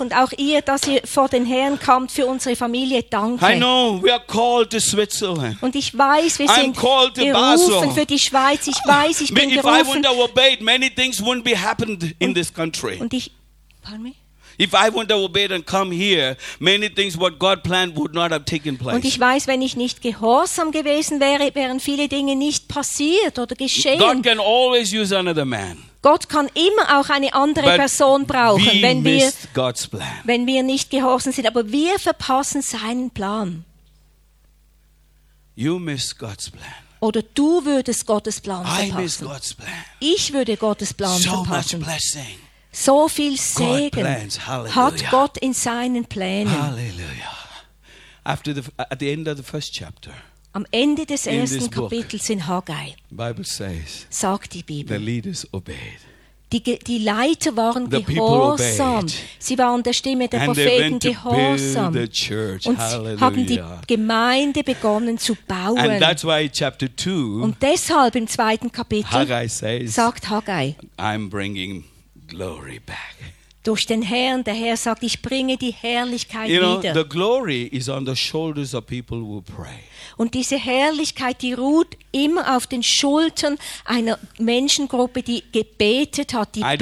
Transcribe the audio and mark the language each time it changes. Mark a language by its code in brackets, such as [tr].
[de] Und auch ihr, dass ihr vor den Herrn kommt für unsere Familie, danke. [en] I know, we are called to Switzerland. [de] Und ich weiß, wir sind berufen für die Schweiz. Ich weiß, ich bin berufen. [en] If I wouldn't have obeyed, many things wouldn't be happened in this country. [de] Und ich, [en] pardon me? If I wouldn't have obeyed and come here, many things what God planned would not have taken place. [de] Und ich weiß, wenn ich nicht gehorsam gewesen wäre, wären viele Dinge nicht passiert oder geschehen. [en] God can always use another man. [de] Gott kann immer auch eine andere [en] But [de] Person brauchen, [en] we [de] wenn wir [en] God's plan. [de] Wenn wir nicht gehorsam sind, aber wir verpassen seinen Plan. [en] You miss God's plan. [de] Oder du würdest Gottes Plan verpassen. [en] I miss God's plan. [de] Ich würde Gottes Plan [en] so [de] verpassen. [en] So much blessing. [de] So viel Segen [en] plans, [de] hat Gott in seinen Plänen. Halleluja. [en] After the at the end of the first chapter. [de] Am Ende des ersten Kapitels in Haggai. [en] Bible says. [de] Sagt die Bibel. [en] The leaders obeyed. [de] Die Leiter waren gehorsam. Sie waren der Stimme der Propheten gehorsam. Und haben die Gemeinde begonnen zu bauen. [en] And that's why chapter two, [de] und deshalb im zweiten Kapitel [en] Haggai says, [de] sagt Haggai, [en] I'm bringing glory back. [de] Durch den Herrn, der Herr sagt, ich bringe die Herrlichkeit wieder. [en] You know, the glory is on the shoulders of people who pray. [de] Und diese Herrlichkeit, die ruht immer auf den Schultern einer Menschengruppe, die gebetet hat, die betet.